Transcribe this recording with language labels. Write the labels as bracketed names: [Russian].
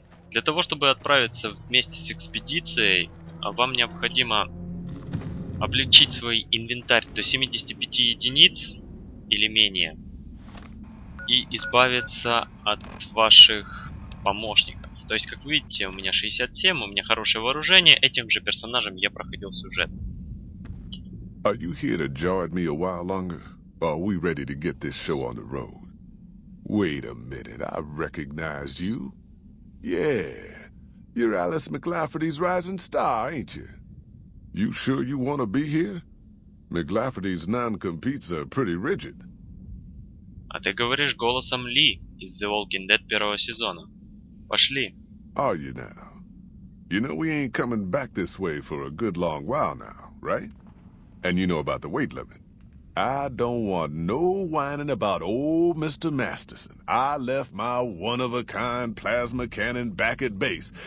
[Russian] Для того, чтобы отправиться вместе с экспедицией, вам необходимо облегчить свой инвентарь до 75 единиц или менее и избавиться от ваших помощников. То есть, как видите, у меня 67, у меня хорошее вооружение, этим же персонажем я проходил сюжет. [English] Are you here to jar me a while longer? Are we ready to get this show on the road? Wait a minute, I recognize you. Yeah, you're Alice McLafferty's rising star, ain't you? You sure you want to be here? McLafferty's non-competes are pretty rigid. [Russian] А ты говоришь голосом Ли из The Walking Dead первого сезона. Пошли. [English] Are you now? You know we ain't coming back this way for a good long while now, right? And you know about the weight limit. I don't want no whining about old Mr. Masterson. I left my one-of-a-kind plasma cannon back at base.